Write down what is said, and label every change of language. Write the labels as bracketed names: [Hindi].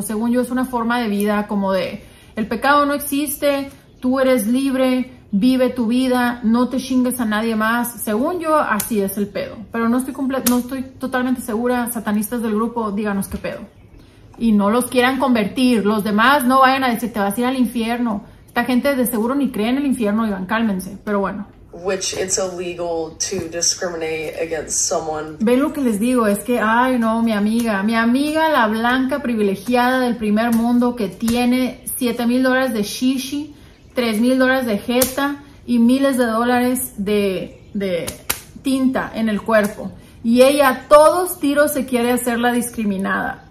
[Spanish] Según yo, es una forma de vida como de... El pecado no existe, tú eres libre, vive tu vida, no te chingues a nadie más. Según yo, así es el pedo. Pero no estoy totalmente segura, satanistas del grupo, díganos qué pedo. Y no los quieran convertir, los demás no vayan a decir, te vas a ir al infierno. Esta gente de seguro ni cree en el infierno, digan, cálmense, pero bueno. [English] Which it's illegal to discriminate against someone. [Spanish] Ven lo que les digo, es que, ay no, mi amiga la blanca privilegiada del primer mundo que tiene $7,000 de shishi, $3,000 de jeta y miles de dólares de tinta en el cuerpo. Y ella a todos tiros se quiere hacer la discriminada.